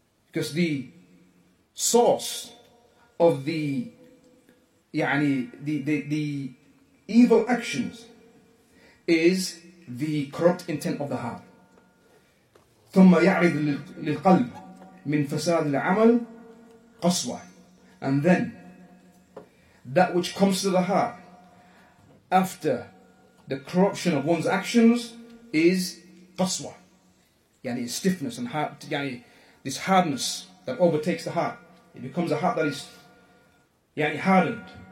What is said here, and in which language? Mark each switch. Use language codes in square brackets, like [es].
[en] Because the source of the the evil actions is the corrupt intent of the heart. [ar] ثم يعرض للقلب من فساد العمل قصوى. [en] And then that which comes to the heart after the corruption of one's actions is qaswa, stiffness and heart, this hardness that overtakes the heart. It becomes a heart that is hardened.